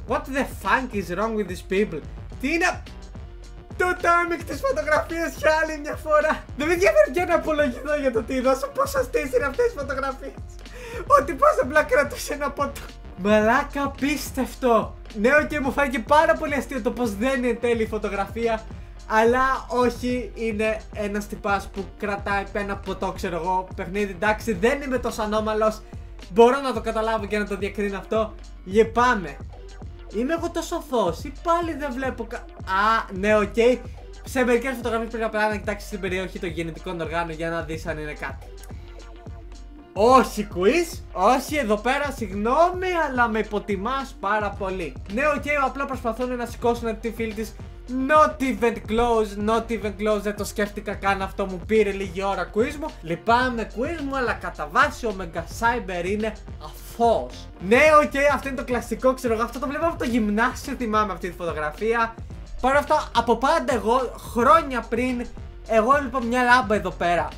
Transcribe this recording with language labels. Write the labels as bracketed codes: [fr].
[en] What the fuck is wrong with these people? [el] Τι είναι? Το timing της φωτογραφίας για άλλη μια φορά. Δεν με ενδιαφέρει πια να απολογηθώ για το τι δώσω. Πόσο αστείες είναι αυτές τις φωτογραφίες. Ότι πώς απλά κρατούσε ένα ποτό. Μαλάκα, απίστευτο. Ναι, και μου φάνηκε πάρα πολύ αστείο το πως δεν είναι τέλειο η φωτογραφία. Αλλά όχι, είναι ένας τυπάς που κρατάει ένα ποτό, ξέρω εγώ. Παιχνίδι, εντάξει, δεν είμαι τόσο ανώμαλος. Μπορώ να το καταλάβω και να το διακρίνω αυτό. Λυπάμαι. Είμαι εγώ τόσο φως ή πάλι δεν βλέπω κα... Α, ναι, οκ. Okay. Σε μερικές φωτογραφίες πρέπει να περάσει να κοιτάξεις την περιοχή των γεννητικών οργάνων για να δεις αν είναι κάτι. Όχι, quiz. Όχι, εδώ πέρα, συγγνώμη, αλλά με υποτιμάς πάρα πολύ. Ναι, οκ, okay, απλά προσπαθούν να σηκώσουν τη φίλη της. [en] Not even close, not even close. [el] Δεν το σκέφτηκα καν αυτό, μου πήρε λίγη ώρα quiz μου. Λυπάμαι quiz μου, αλλά κατά βάση ο Mega Cyber είναι αφός. Ναι, οκ, okay, αυτό είναι το κλασικό, ξέρω εγώ. Αυτό το βλέπω από το γυμνάσιο, θυμάμαι αυτή τη φωτογραφία. Παρ' αυτό, από πάντα εγώ, χρόνια πριν, εγώ έβλεπα μια λάμπα εδώ πέρα.